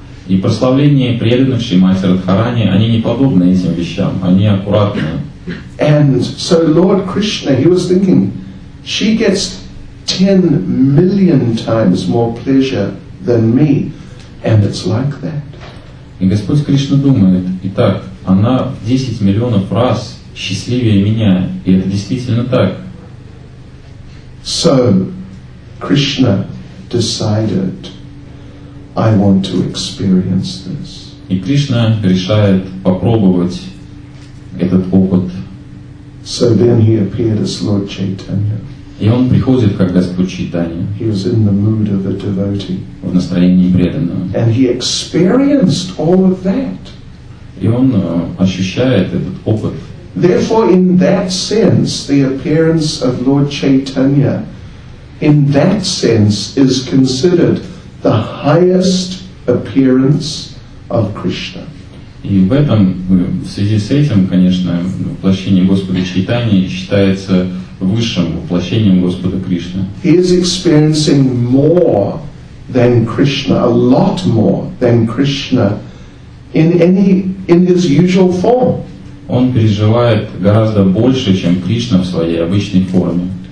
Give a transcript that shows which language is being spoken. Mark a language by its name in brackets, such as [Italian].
[Russian] И прославление преданных Шримати Радхарани, они не подобны этим вещам, они аккуратны. [English] And so Lord Krishna, he was thinking, she gets 10 million times more pleasure than me, and it's like that. [Russian] И Господь Кришна думает, итак, она в 10 миллионов раз счастливее меня, и это действительно так. [English] So, Krishna decided, I want to experience this. [Russian] И Кришна решает попробовать этот опыт. [English] So then he appeared as Lord Chaitanya. [Russian] И он приходит как Господь Чайтанья. [English] He was in the mood of a devotee. [Russian] В настроении преданного. [English] And he experienced all of that. [Russian] И он ощущает этот опыт. [English] Therefore, in that sense, the appearance of Lord Chaitanya, in that sense, is considered the highest appearance of Krishna. [Russian] И в этом, в связи с этим, конечно, воплощение Господа Чайтаньи считается высшим воплощением Господа Кришны. [English] He is experiencing more than Krishna, a lot more than Krishna in his usual form. [Russian] Он переживает гораздо больше, чем Кришна в своей обычной форме.